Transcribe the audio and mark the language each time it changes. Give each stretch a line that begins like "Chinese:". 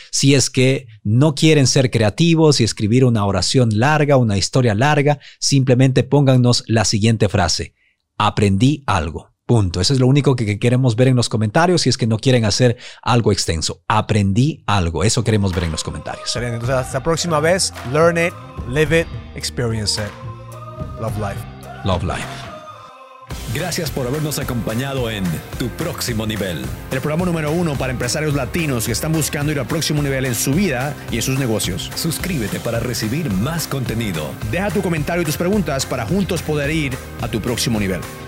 Spanish: Si es que no quieren ser creativos y escribir una oración larga, una historia larga, simplemente póngannos la siguiente frase. Aprendí algo. Punto. Eso es lo único que queremos ver en los comentarios si es que no quieren hacer algo extenso. Aprendí algo. Eso queremos ver en los comentarios. Entonces, hasta la próxima vez.
English: Learn it, live it, experience it. Love life. Love life.
Spanish: Gracias por habernos acompañado en Tu Próximo Nivel, el programa número uno para empresarios latinos que están buscando ir al próximo nivel en su vida y en sus negocios. Suscríbete para recibir más contenido. Deja tu comentario y tus preguntas para juntos poder ir a tu próximo nivel.